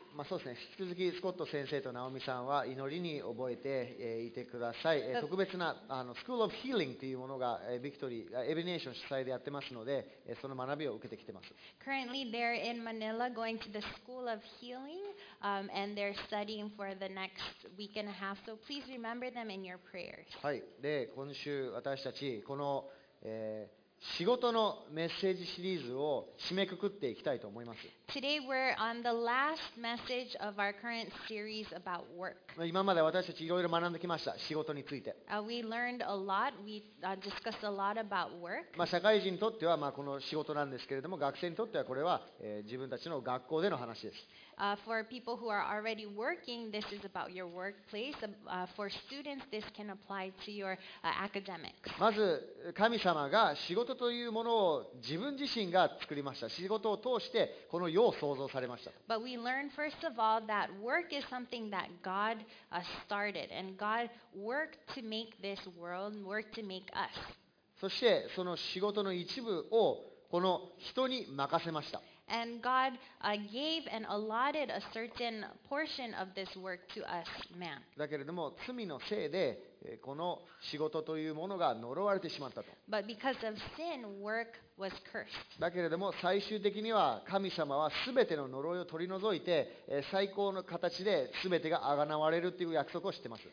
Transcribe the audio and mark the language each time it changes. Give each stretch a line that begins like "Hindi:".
Japanese: そうですね、引き続きスコット先生とナオミさんは祈りに覚えていてください。特別なスクールオブヒーリングというものがビクトリー、エビネーション主催でやってますので、その学びを受けてきてます。
English: Currently they're in Manila going to the School of Healing, and they're studying for the next week and a half. So please remember them in your prayers.
Japanese: はい。で、今週私たちこの、仕事のメッセージシリーズを締めくくっていきたいと思います。
English: Today we're on the last message of our current series about work.
Japanese: 今まで私たちいろいろ学んできました、仕事について。
English: We learned a lot. We discussed a lot about work.
Japanese: 社会人にとってはこの仕事なんですけれども、学生にとってはこれは自分たちの学校での話です。
English: For people who are already working, this is about your workplace. For students, this can apply to your academics.
Japanese: まず神様が仕事というものを自分自身が作りました。仕事を通してこの世を創造されました。
English: But we learn first of all that work is something that God started, and God worked to make this world, worked to make us.
Japanese: そしてその仕事の一部をこの人に任せました。
English: And God gave and allotted a certain portion of this work to us, man.
Japanese: だけれども罪のせいでこの仕事というものが呪われてしまったと。
English: But because of sin, work was cursed.
Japanese: だけれども最終的には神様はすべての呪いを取り除いて最高の形ですべてが贖われるという約束をしてます。